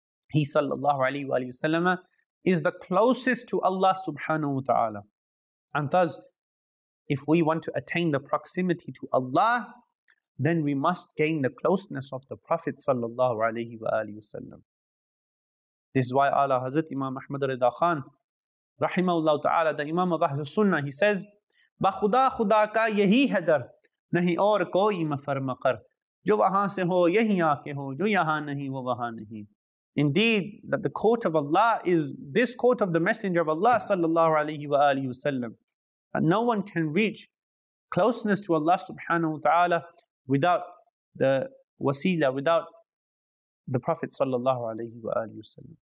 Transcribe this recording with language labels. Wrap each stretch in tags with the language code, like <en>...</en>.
<en>He sallallahu alayhi wa sallam is the closest to Allah subhanahu wa ta'ala. And thus, if we want to attain the proximity to Allah, then we must gain the closeness of the Prophet sallallahu alayhi wa sallam. This is why Allah Hazrat Imam Ahmad Rida Khan, rahimahullah ta'ala, the Imam of Ahlul Sunnah, he says,</en> <ur>بَخُدَا خُدَا كَا يَهِي هَدَرْ نَهِي اور کوئی مَفَرْ مَقَرْ جو وہاں سے ہو یہی آ کے ہو جو یہاں نہیں وہ وہاں نہیں.</ur> <en>Indeed, that the court of Allah is this court of the Messenger of Allah sallallahu alayhi wa sallam. And no one can reach closeness to Allah subhanahu wa ta'ala without the wasila, without the Prophet sallallahu alayhi wa sallam.</en>